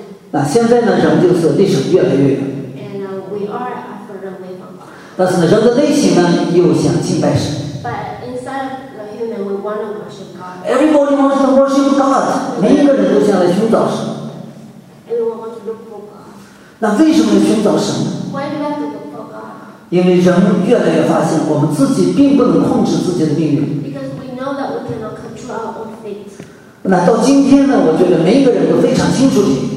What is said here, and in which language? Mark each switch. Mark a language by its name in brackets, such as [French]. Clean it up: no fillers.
[Chinese] 那现在呢，人就是历史越来越远。 [English] And we are further away from God. [Chinese] 但是呢，人的内心呢，又想敬拜神。 [English] But inside the human, we want to worship God. Everybody wants to worship God. [Chinese] 每一个人都想来寻找神。 [English] Everyone wants to look for God. [Chinese] 那为什么寻找神呢？ [English] Why do we have to look for God? [Chinese] 因为人越来越发现，我们自己并不能控制自己的命运。 [English] Because we know that we cannot control our own fate. [Chinese] 那到今天呢，我觉得每一个人都非常清楚的。